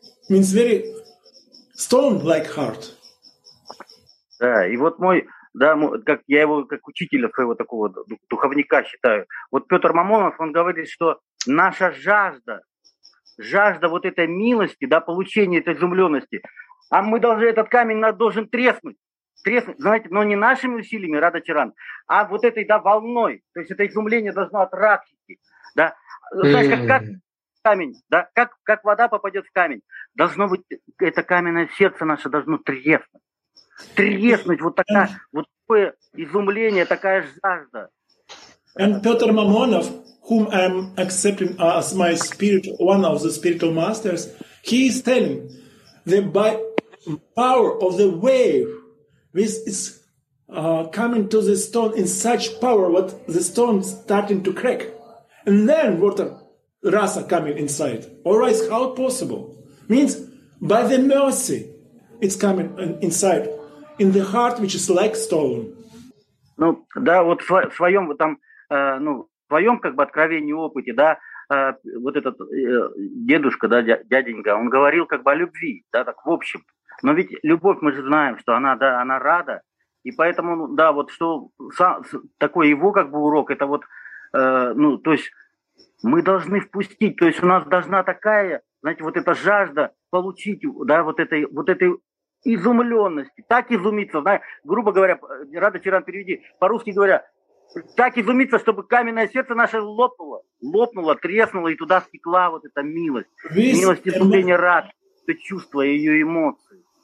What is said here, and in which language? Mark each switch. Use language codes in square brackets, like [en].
[en] Means very stone-like heart. [ru] Да, и вот мой, да, как я его как учителя своего такого духовника считаю. Вот Петр Мамонов, он говорит, что наша жажда, жажда вот этой милости, да, получения этой изумленности, а мы должны, этот камень должен треснуть. Знаете, но не нашими усилиями, Рада Чаран, а вот этой, да, волной. То есть это изумление должно от радхи, да. Знаешь, как камень, да, как вода попадет в камень. Должно быть, это каменное сердце наше должно треснуть. Треснуть, вот, такая, вот такое изумление, такая жажда. [en] And Петр Мамонов, whom I'm accepting as my spirit, one of the spiritual masters, he is telling that by power of the wave, this is coming to the stone in such power, what the stone starting to crack. And then water, rasa coming inside. All right, how possible? Means by the mercy, it's coming inside, in the heart, which is like stone. [ru] Ну, да, вот в своем, там, ну, в своем как бы откровении, опыте, да, вот этот дедушка, да, дяденька, он говорил как бы о любви, да, так в общем. Но ведь любовь, мы же знаем, что она, да, она рада. И поэтому, да, вот что такой его как бы урок, это вот, ну, то есть мы должны впустить, то есть у нас должна такая, знаете, вот эта жажда получить, да, вот этой изумленности, так изумиться, знаете, грубо говоря, Рада Чаран, переведи, по-русски говоря, так изумиться, чтобы каменное сердце наше лопнуло, лопнуло, треснуло, и туда стекла вот эта милость, милость изумления рад, это чувство, ее эмоции.